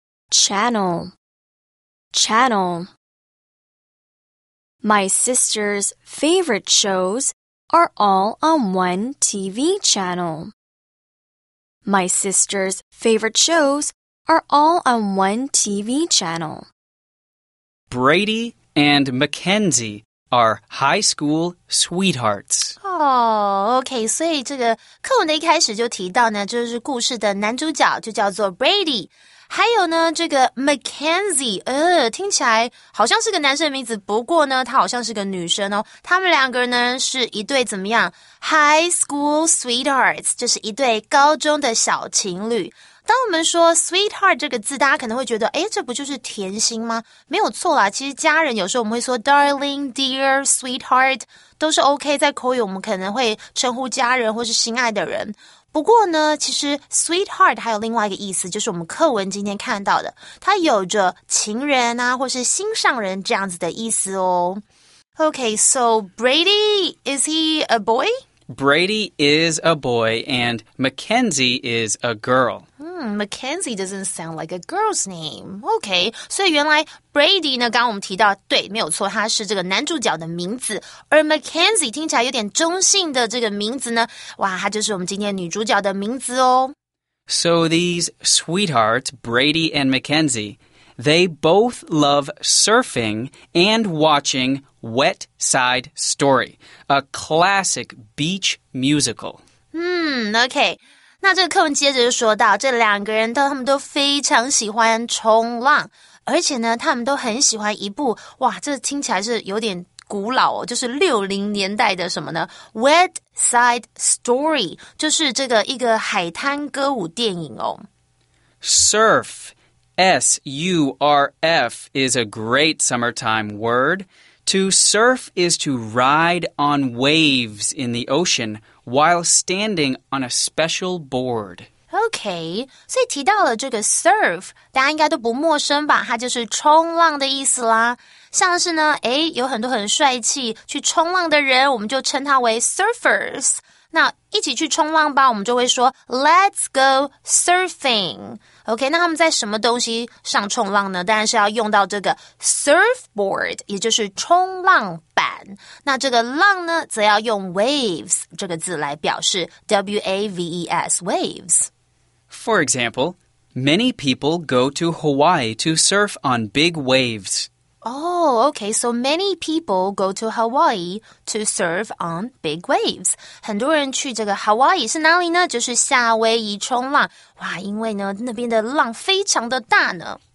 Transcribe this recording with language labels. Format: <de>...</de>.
<en>Channel. Channel. My sister's favorite shows are all on one TV channel. My sister's favorite shows are all on one TV channel. Brady and Mackenzie are high school sweethearts.</en> <zh>OK, 所以这个课文的一开始就提到呢，就是故事的男主角就叫做 Brady。还有呢这个 Mackenzie, 听起来好像是个男生的名字不过呢他好像是个女生哦。他们两个呢是一对怎么样 ?High school sweethearts, 就是一对高中的小情侣。当我们说 sweetheart 这个字大家可能会觉得这不就是甜心吗没有错啦其实家人有时候我们会说 darling, dear, sweetheart, 都是 OK, 在口语我们可能会称呼家人或是心爱的人。不过呢其实 sweetheart 还有另外一个意思就是我们课文今天看到的它有着情人啊或是心上人这样子的意思哦。</zh> <en>Okay, so Brady, is he a boy? Brady is a boy and Mackenzie is a girl. Mackenzie doesn't sound like a girl's name.</en> <zh>Okay, 所以原来 Brady 呢刚刚我们提到对没有错他是这个男主角的名字而 Mackenzie 听起来有点中性的这个名字呢哇他就是我们今天女主角的名字哦。</zh> <en>So these sweethearts, Brady and Mackenzie, they both love surfing and watching Wet Side Story, a classic beach musical. Okay.</en> <zh>那这个课文接着就说到，这两个人他们都非常喜欢冲浪，而且呢，他们都很喜欢一部，哇，这听起来是有点古老哦，就是60年代的什么呢 ?Wet Side Story, 就是这个一个海滩歌舞电影哦。</zh> <en>Surf, S-U-R-F, is a great summertime word. To surf is to ride on waves in the ocean while standing on a special board.</en> <zh>OK, 所以提到了这个 surf, 大家应该都不陌生吧，它就是冲浪的意思啦。像是呢，诶，有很多很帅气去冲浪的人，我们就称它为 surfers。那一起去冲浪吧，我们就会说</zh> <en>let's go surfing。</en> <zh>OK, 那他们在什么东西上冲浪呢？当然是要用到这个 surfboard, 也就是冲浪板。那这个浪呢，则要用 waves 这个字来表示 W-A-V-E-S, waves.</zh> <en>For example, many people go to Hawaii to surf on big waves. Oh, OK, so many people go to Hawaii to surf on big waves.</en> <zh>很多人去这个 Hawaii 是哪里呢？就是夏威夷冲浪。哇，因为呢，那边的浪非常的大呢。</zh>